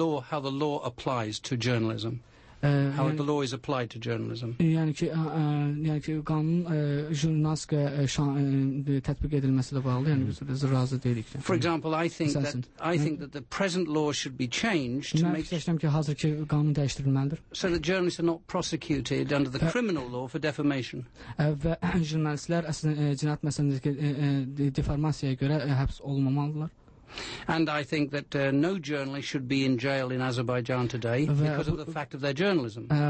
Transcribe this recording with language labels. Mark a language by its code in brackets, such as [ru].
[en] how the law applies to journalism. How the law is applied to journalism. [az] Yəni ki, qanun jurnalistikaya tətbiq edilməsi ilə bağlı, yəni biz razı deyilik. [en] For example, I think that the present law should be changed to make... [az] Mən fikirləşirəm ki, hazır ki, qanun dəyişdirilməlidir. [en] So that journalists are not prosecuted under the criminal law for defamation. [az] Və jurnalistlər əslində cinayət məsələsindəki deformasiyaya görə həbs olunmamalıdırlar. [en] And I think that no journalist should be in jail in Azerbaijan today because of the fact of their journalism.